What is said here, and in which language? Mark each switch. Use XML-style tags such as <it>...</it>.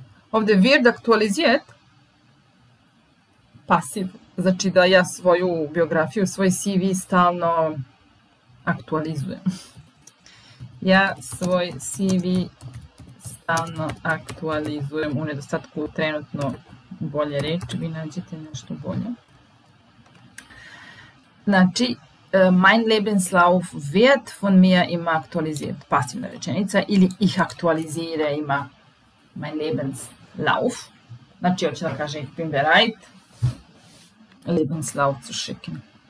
<sr>Ovde</sr> <de>wird aktualisiert,</de> <sr>pasiv, znači da ja svoju biografiju, svoj CV stalno aktualizujem. Ja svoj CV stalno aktualizujem u nedostatku trenutno bolje reči, vi nađete nešto bolje. Znači,</sr> <de>mein Lebenslauf wird von mir immer aktualisiert,</de> <sr>pasivna rečenica, ili</sr> <de>ich aktualisiere immer mein Lebenslauf.</de> <sr>Znači, hoće da kaže,</sr> <de>ich bin bereit, Lebenslauf zu schicken.</de>